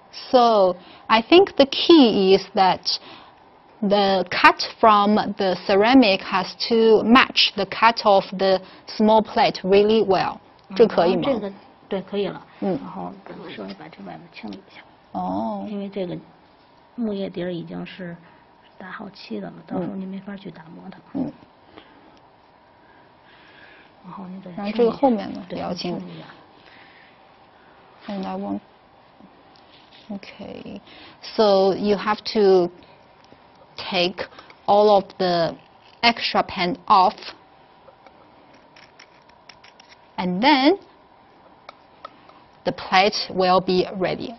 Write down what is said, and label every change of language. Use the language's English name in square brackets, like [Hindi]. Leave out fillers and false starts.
[English] So I think the key is that the cut from the ceramic has to match the cut of the small plate really well. [Chinese] 这可以吗？这个对，可以了。然后稍微把这外面清理一下。因为这个木叶底已经是打好漆的了，到时候您没法去打磨它。然后这个后面呢也要清理。 [English] And I want. Okay, so you have to take all of the extra paint off, and then the plate will be ready.